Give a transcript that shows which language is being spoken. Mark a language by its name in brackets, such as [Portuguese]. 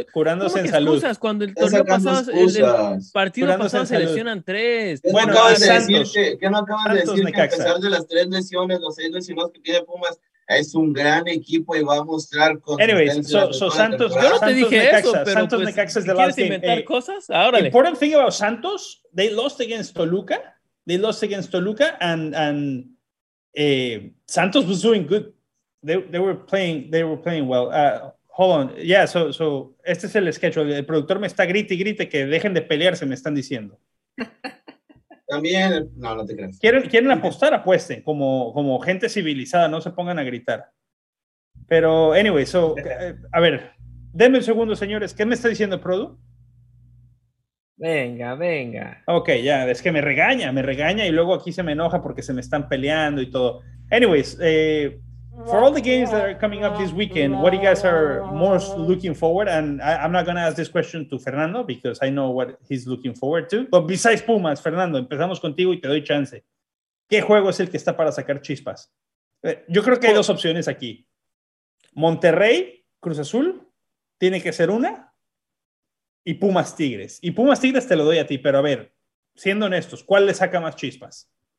[Spanish] Curándose en salud. Excusas, cuando el torneo pasado, el partido pasado se lesionan 3. Bueno, acabas de decir que a pesar de las 3 lesiones, los 6 lesionados que tiene Pumas, es un gran equipo y va a mostrar Santos. Yo no te dije Santos, eso, pero Santos, pues, Necaxa es de [English] last game. [Spanish] ¿Quieres inventar cosas? Ahora. [English] Important thing about Santos, they lost against Toluca and Santos was doing good. They were playing well. Hold on. Yeah, so [Spanish] este es el [English] schedule. [Spanish] El productor me está grite y grite que dejen de pelearse, me están diciendo. También, no te creas. ¿Quieren apostar? Apuesten, como gente civilizada, no se pongan a gritar. Pero, anyway, a ver, denme un segundo, señores. ¿Qué me está diciendo Produ? Venga. Ok, ya, es que me regaña y luego aquí se me enoja porque se me están peleando y todo. [English] Anyways, for all the games that are coming up this weekend, what you guys are most looking forward, and I'm not going to ask this question to Fernando because I know what he's looking forward to. [Spanish] But besides Pumas, Fernando, empezamos contigo y te doy chance. ¿Qué juego es el que está para sacar chispas? Yo creo que hay dos opciones aquí. Monterrey, Cruz Azul, tiene que ser una. Y Pumas Tigres. Y Pumas Tigres te lo doy a ti, pero a ver, siendo honestos, ¿cuál le saca más chispas?